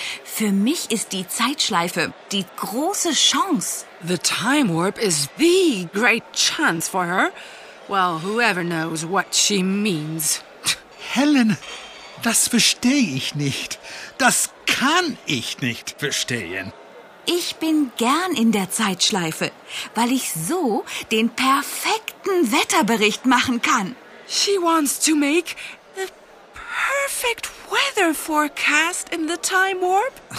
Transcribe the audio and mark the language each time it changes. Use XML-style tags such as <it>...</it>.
<de>Für mich ist die Zeitschleife die große Chance.</de> <en>The time warp is the great chance for her. Well, whoever knows what she means.</en> <de>Helen, das verstehe ich nicht. Das kann ich nicht verstehen. Ich bin gern in der Zeitschleife, weil ich so den perfekten Wetterbericht machen kann.</de> <en>She wants to make the perfect weather forecast in the time warp?</en>